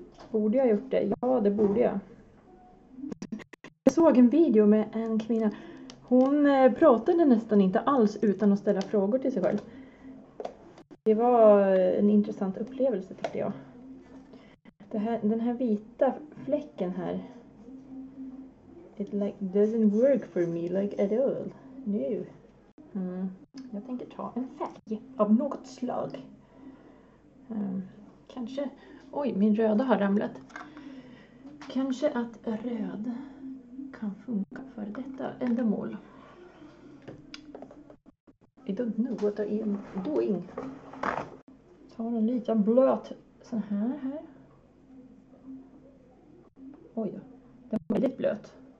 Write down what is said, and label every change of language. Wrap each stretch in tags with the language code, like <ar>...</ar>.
<sv>Borde jag gjort det? Ja, det borde jag. Jag såg en video med en kvinna. Hon pratade nästan inte alls utan att ställa frågor till sig själv. Det var en intressant upplevelse, tyckte jag. Den här vita fläcken här.</sv> <en>It like doesn't work for me like at all. No.</en> <sv>Jag tänker ta en färg av något slag. Kanske... Oj, min röda har ramlat. Kanske att röd kan funka för detta ändamål.</sv> <en>I don't know what I am doing.</en> <sv>Tar en liten blöt sån här. Oj, den var väldigt blöt.</sv>